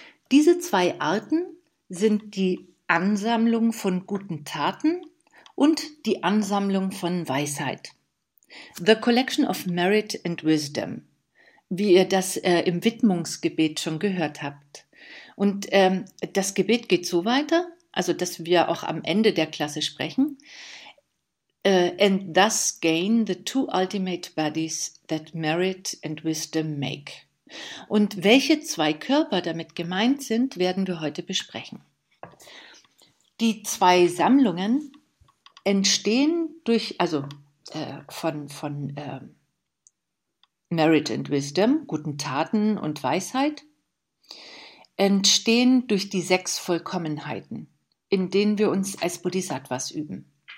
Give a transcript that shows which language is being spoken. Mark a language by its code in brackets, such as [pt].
[de] Diese 2 Arten sind die Ansammlung von guten Taten und die Ansammlung von Weisheit. [en] The collection of merit and wisdom, [de] wie ihr das im Widmungsgebet schon gehört habt. Und das Gebet geht so weiter, also dass wir auch am Ende der Klasse sprechen. [en] And thus gain the 2 ultimate bodies that merit and wisdom make. [de] Und welche 2 Körper damit gemeint sind, werden wir heute besprechen. Die 2 Sammlungen entstehen durch, also von [en] merit and wisdom, [de] guten Taten und Weisheit, entstehen durch die 6 Vollkommenheiten, in denen wir uns als Bodhisattvas üben.